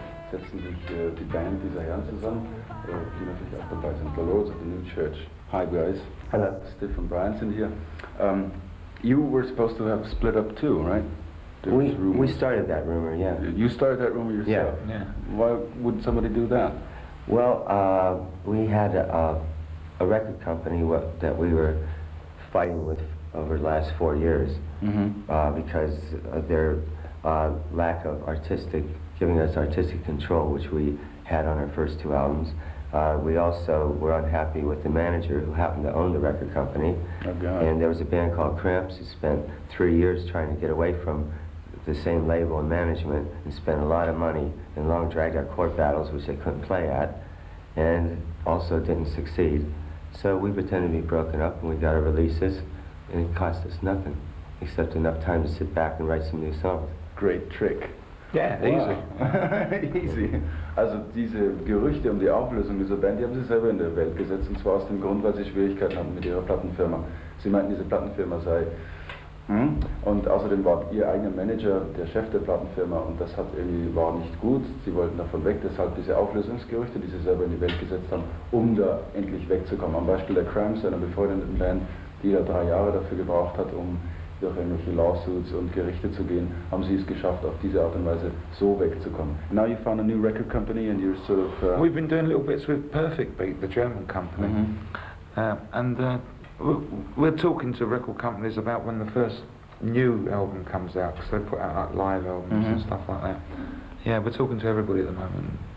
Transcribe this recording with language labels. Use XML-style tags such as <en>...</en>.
<de>setzen sich die Band dieser Herren zusammen, die natürlich auch dabei sind.</de> <en>Hello, at the new church. Hi guys. Hello.</en> <de>Steve and Brian sind hier.</de> <en>You were supposed to have split up too, right? We started that rumor, yeah. You started that rumor yourself? Yeah. Why would somebody do that? Well, we had a record company that we were fighting with over the last 4 years, mm-hmm. Because of their lack of artistic, giving us artistic control, which we had on our first two albums. We also were unhappy with the manager who happened to own the record company. Okay. And there was a band called Cramps who spent 3 years trying to get away from the same label and management and spent a lot of money and long dragged out court battles, which they couldn't play at, and also didn't succeed. So we pretended to be broken up and we got our releases, and it cost us nothing except enough time to sit back and write some new songs. Great trick. Yeah, wow. Easy. Easy.</en> <de>Also diese Gerüchte um die Auflösung dieser Band, die haben sie selber in der Welt gesetzt, und zwar aus dem Grund, weil sie Schwierigkeiten hatten mit ihrer Plattenfirma. Sie meinten, diese Plattenfirma sei... Und außerdem war ihr eigener Manager der Chef der Plattenfirma, und das hat irgendwie, war nicht gut. Sie wollten davon weg, deshalb diese Auflösungsgerüchte, die sie selber in die Welt gesetzt haben, um da endlich wegzukommen. Am Beispiel der Cramps, einer befreundeten Band, die da 3 Jahre dafür gebraucht hat, um durch irgendwelche Lawsuits und Gerichte zu gehen, haben sie es geschafft, auf diese Art und Weise so wegzukommen.</de> <en>Now you found a new record company and you're sort of... We've been doing little bits with Perfect Beat, the German company. Mm-hmm. We're talking to record companies about when the first new album comes out, because they put out like live albums, mm-hmm. and stuff like that. Yeah, we're talking to everybody at the moment.</en>